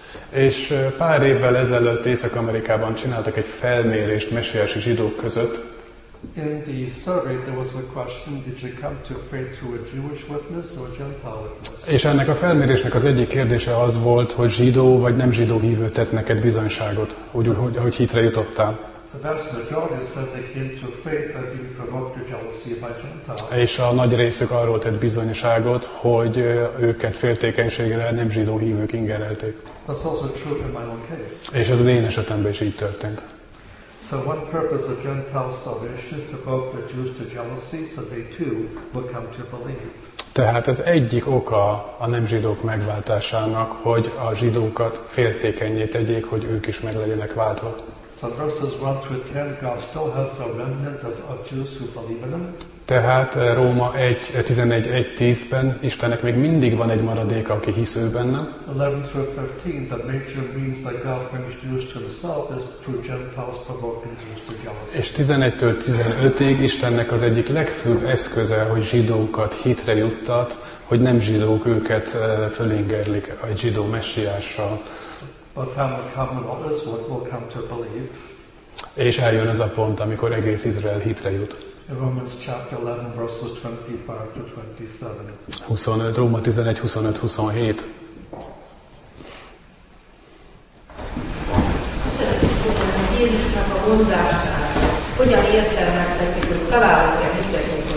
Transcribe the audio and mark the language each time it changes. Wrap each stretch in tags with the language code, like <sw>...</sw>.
<hu>És pár évvel ezelőtt Észak-Amerikában csináltak egy felmérést messiási zsidók között.</hu> <en>In the survey there was a question, did you come to faith through a Jewish witness or a Gentile witness?</en> <hu>És ennek a felmérésnek az egyik kérdése az volt, hogy zsidó vagy nem zsidó hívő tett neked bizonyságot, hogy hitre jutottál.</hu> <en>The vast majority said they came to faith by being provoked to jealousy by Gentiles.</en> <hu>És a nagy részük arról tett bizonyságot, hogy őket féltékenységre nem zsidó hívők ingerelték.</hu> <en>That's also true in my own case.</en> <hu>És ez az én esetemben is így történt.</hu> <en>So one purpose of Gentile salvation to provoke the Jews to jealousy so they too will come to believe.</en> <hu>Tehát ez egyik oka a nem zsidók megváltásának, hogy a zsidókat féltékenyé tegyék, hogy ők is meg legyenek váltva.</hu> <en>So verses 1 through 10, God still has a remnant of Jews who believe in him.</en> <hu>Tehát Róma 11:1-10-ben Istennek még mindig van egy maradéka, aki hisz ő benne.</hu> <en>11-15, the major means that God brings Jews to himself is through Gentiles provoking Jews to jealousy.</en> <hu>És 11-15-ig Istennek az egyik legfőbb eszköze, hogy zsidókat hitre juttat, hogy nem zsidók őket fölingerlik egy zsidó messiással.</hu> <en>But time will come when others will come to believe.</en> <hu>És eljön az a pont, amikor egész Izrael hitre jut.</hu> <en>Romans chapter 11 verses 25 to 27.</en> <hu>25, Róma 11, 25, 27. Jézusnak a mondását, hogyan értelmeztetik, hogy találhatják Istenet?</hu>